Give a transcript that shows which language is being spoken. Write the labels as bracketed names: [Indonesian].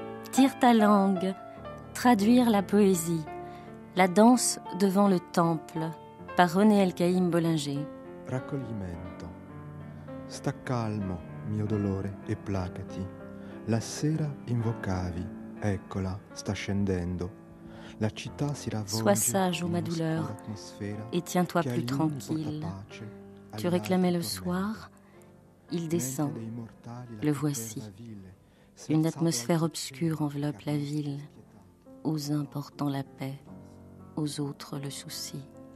[French] Tire ta langue, traduire la poésie, la danse devant le temple, par René El-Kaïm Bollinger. [Italian] Raccoglimento, sta calmo mio dolore e placati, la sera invocavi, eccola, sta scendendo, la città si ravvolge. [French] Sois sage, ô ma douleur, et tiens-toi plus tranquille, tu réclamais le soir, il descend, le voici. Une atmosphère obscure enveloppe la ville, aux uns portant la paix, aux autres le souci.